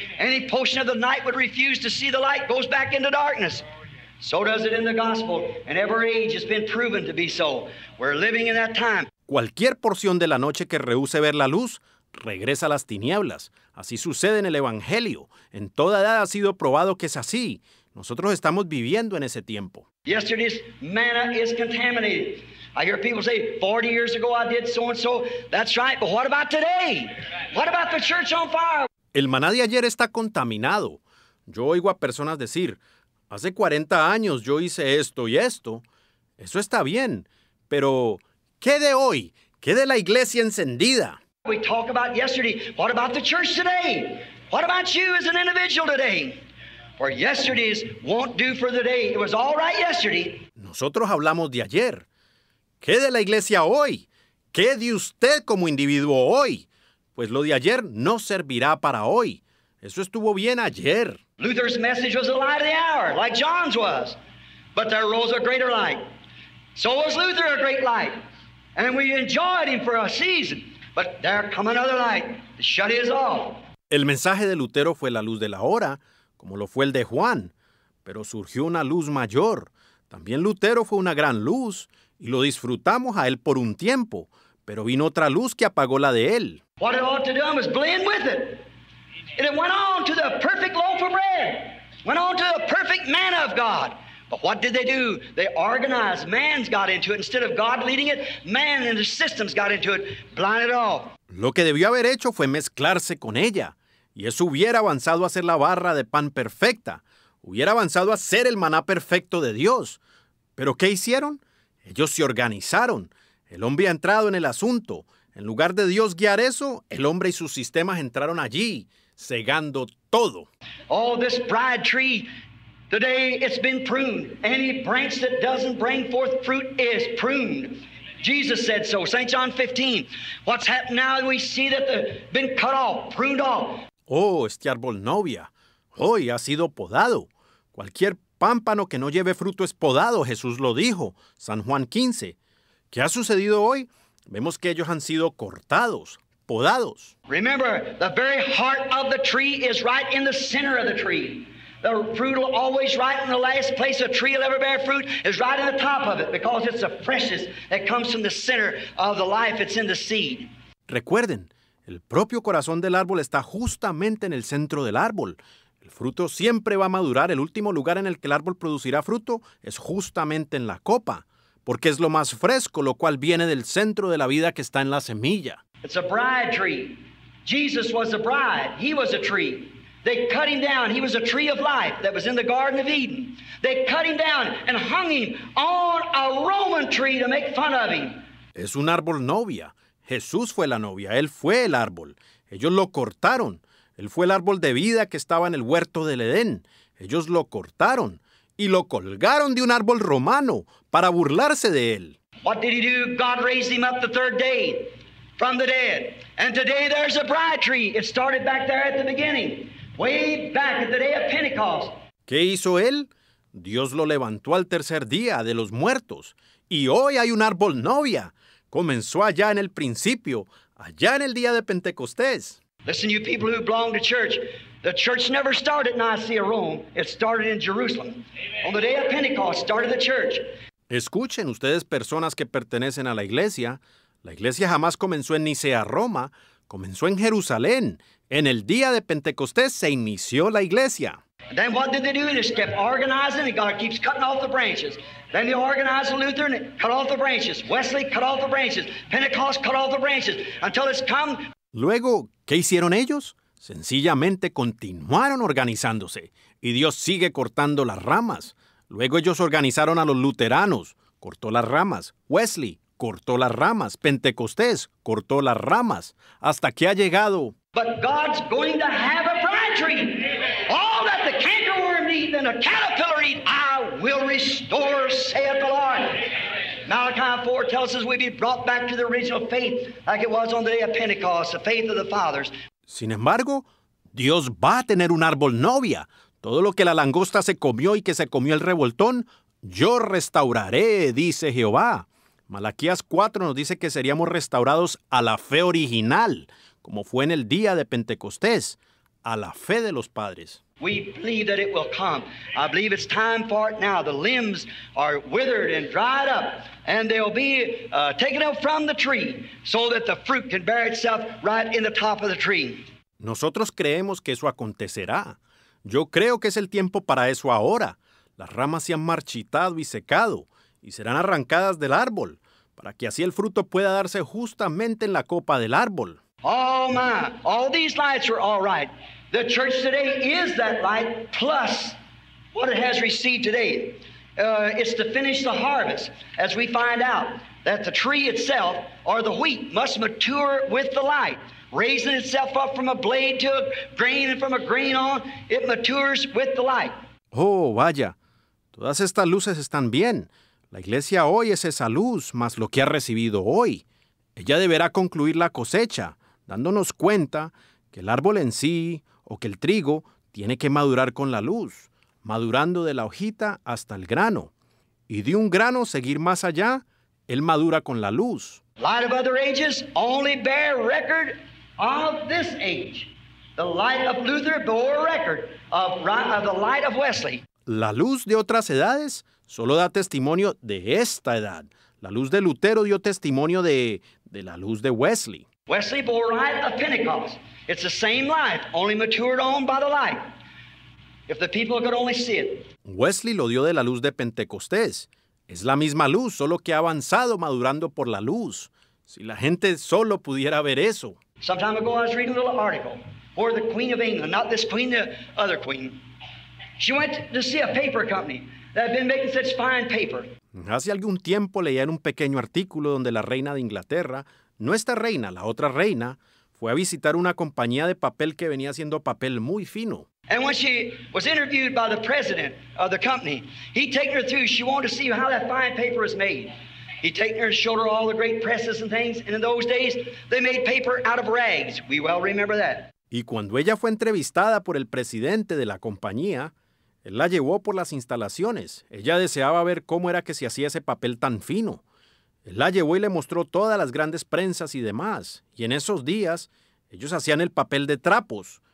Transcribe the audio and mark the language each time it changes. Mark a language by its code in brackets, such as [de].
[en] Any portion of the night would refuse to see the light goes back into darkness. So does it in the gospel, and every age has been proven to be so. We're living in that time. [es] Cualquier porción de la noche que rehúse ver la luz, regresa a las tinieblas. Así sucede en el Evangelio. En toda edad ha sido probado que es así. Nosotros estamos viviendo en ese tiempo. [en] Yesterday's manna is contaminated. I hear people say, 40 years ago I did so and so. That's right, but what about today? What about the church on fire? [es] El maná de ayer está contaminado. Yo oigo a personas decir, hace 40 años yo hice esto y esto. Eso está bien, pero ¿qué de hoy? ¿Qué de la iglesia encendida? [en] We talk about yesterday. What about the church today? What about you as an individual today? For yesterday's won't do for the day. It was all right yesterday. [es] Nosotros hablamos de ayer. ¿Qué de la iglesia hoy? ¿Qué de usted como individuo hoy? Pues lo de ayer no servirá para hoy. Eso estuvo bien ayer. [en] Luther's message was the light of the hour, like John's was. But there rose a greater light. So was Luther a great light. And we enjoyed him for a season. But there come another light to shut his off. [es] El mensaje de Lutero fue la luz de la hora, como lo fue el de Juan. Pero surgió una luz mayor. También Lutero fue una gran luz, y lo disfrutamos a él por un tiempo. pero vino otra luz que apagó la de él. [en] What it ought to do, I must blend with it. And it went on to the perfect loaf of bread. Went on to the perfect manna of God. But what did they do? They organized. Man's got into it. Instead of God leading it, man and the systems got into it. Blind it all. [es] Lo que debió haber hecho fue mezclarse con ella. Y eso hubiera avanzado a ser la barra de pan perfecta. Hubiera avanzado a ser el maná perfecto de Dios. ¿Pero qué hicieron? Ellos se organizaron. El hombre ha entrado en el asunto. En lugar de Dios guiar eso, el hombre y sus sistemas entraron allí, cegando todo. [en] Oh, this bride tree, today it's been pruned. Any branch that doesn't bring forth fruit is pruned. Jesus said so, St. John 15. What's happened now, we see that they've been cut off, pruned off. [es] Oh, este árbol novia, hoy ha sido podado. Cualquier pámpano que no lleve fruto es podado, Jesús lo dijo, San Juan 15. ¿Qué ha sucedido hoy? Vemos que ellos han sido cortados, podados. [en] Remember, the very heart of the tree is right in the center of the tree. The fruit will always right in the last place a tree will ever bear fruit is right in the top of it because it's the freshest that comes from the center of the life. It's in the seed. [es] Recuerden, el propio corazón del árbol está justamente en el centro del árbol. El fruto siempre va a madurar. El último lugar en el que el árbol producirá fruto es justamente en la copa. Porque es lo más fresco, lo cual viene del centro de la vida que está en la semilla. [en] It's a bride tree. Jesus was a bride. He was a tree. They cut him down. He was a tree of life that was in the Garden of Eden. They cut him down and hung him on a Roman tree to make fun of him. [es] Es un árbol novia. Jesús fue la novia. Él fue el árbol. Ellos lo cortaron. Él fue el árbol de vida que estaba en el huerto del Edén. Ellos lo cortaron. Y lo colgaron de un árbol romano para burlarse de él. [en] What did he do? God raised him up the third day from the dead. And today there's a bride tree. It started back there at the beginning, way back at the day of Pentecost. [es] ¿Qué hizo él? Dios lo levantó al tercer día de los muertos. Y hoy hay un árbol novia. Comenzó allá en el principio, allá en el día de Pentecostés. [en] Listen, you people who belong to church. The church never started in Nicaea, Rome. It started in Jerusalem. Amen. On the day of Pentecost, started the church. [es] Escuchen, ustedes personas que pertenecen a la iglesia jamás comenzó en Nicea, Roma. Comenzó en Jerusalén. En el día de Pentecostés se inició la iglesia. [en] And then what did they do? They just kept organizing, and God keeps cutting off the branches. Then they organized the Lutheran, cut off the branches. Wesley cut off the branches. Pentecost cut off the branches. Until it's come. [es] Luego, ¿qué hicieron ellos? Sencillamente continuaron organizándose, y Dios sigue cortando las ramas. Luego ellos organizaron a los luteranos, cortó las ramas. Wesley, cortó las ramas. Pentecostés, cortó las ramas. Hasta que ha llegado. [en] But God's going to have a bride tree. All that the cankerworm eat and the caterpillar eat, I will restore, saith the Lord. Malachi 4 tells us we'll be brought back to the original faith, like it was on the day of Pentecost, the faith of the fathers. [es] Sin embargo, Dios va a tener un árbol novia. Todo lo que la langosta se comió y que se comió el revoltón, yo restauraré, dice Jehová. Malaquías 4 nos dice que seríamos restaurados a la fe original, como fue en el día de Pentecostés, a la fe de los padres. [en] We believe that it will come. I believe it's time for it now. The limbs are withered and dried up, and they'll be taken up from the tree so that the fruit can bear itself right in the top of the tree. [es] Nosotros creemos que eso acontecerá. Yo creo que es el tiempo para eso ahora. Las ramas se han marchitado y secado, y serán arrancadas del árbol, para que así el fruto pueda darse justamente en la copa del árbol. [en] Oh, my. All these lights are all right. The church today is that light plus what it has received today. It's to finish the harvest as we find out that the tree itself or the wheat must mature with the light, raising itself up from a blade to a grain and from a grain on, it matures with the light. [es] Oh, vaya. Todas estas luces están bien. La iglesia hoy es esa luz más lo que ha recibido hoy. Ella deberá concluir la cosecha, dándonos cuenta que el árbol en sí o que el trigo tiene que madurar con la luz, madurando de la hojita hasta el grano. Y de un grano seguir más allá, él madura con la luz. [en] Light of other ages only bear record of this age. The light of Luther bore record of the light of Wesley. [es] La luz de otras edades solo da testimonio de esta edad. La luz de Lutero dio testimonio de la luz de Wesley. [en] Wesley bore light of Pentecost. It's the same light, only matured on by the light. If the people could only see it. [es] Wesley lo dio de la luz de Pentecostés. Es la misma luz, solo que ha avanzado madurando por la luz. Si la gente solo pudiera ver eso. [en] Some time ago I was reading a little article where the Queen of England, not this queen, the other queen, she went to see a paper company that had been making such fine paper. [es] Hace algún tiempo leía en un pequeño artículo donde la reina de Inglaterra, no esta reina, la otra reina, fue a visitar una compañía de papel que venía haciendo papel muy fino. [en] And when she was interviewed by the president of the company, he taken her through, she wanted to see how that fine paper was made. He taken her and showed her all the great presses and things, and in those days, they made paper out of rags. We well remember that. [es] Y cuando ella fue entrevistada por el presidente de la compañía, él la llevó por las instalaciones. Ella deseaba ver cómo era que se hacía ese papel tan fino. Él la llevó y le mostró todas las grandes prensas y demás. Y en esos días, ellos hacían el papel de trapos.